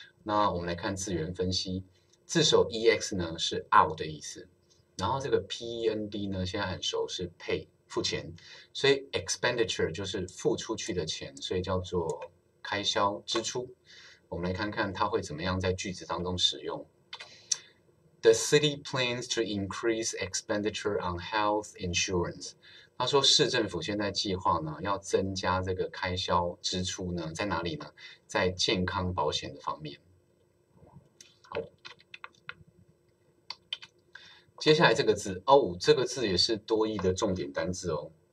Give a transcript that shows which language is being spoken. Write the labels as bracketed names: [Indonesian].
[Chinese] 那我们来看字源分析，字首 ex 呢是 out 的意思，然后这个 pend 呢现在很熟是 pay 付钱，所以 expenditure 就是付出去的钱，所以叫做开销支出。我们来看看它会怎么样在句子当中使用。 [English] The city plans to increase expenditure on health insurance。 [Chinese] 他说，市政府现在计划呢，要增加这个开销支出呢，在哪里呢？在健康保险的方面。好，接下来这个字哦，这个字也是多义的重点单字哦。